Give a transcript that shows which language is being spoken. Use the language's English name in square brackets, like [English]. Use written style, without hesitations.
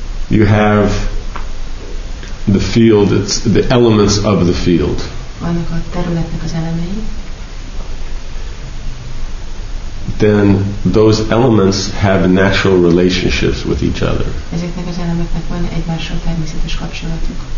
[English] You have the field, it's the elements of the field. [Hungarian] Vannak a területnek az elemei. [English] Then those elements have natural relationships with each other. [Hungarian] Ezeknek az elemeknek van egymással természetes kapcsolatuk.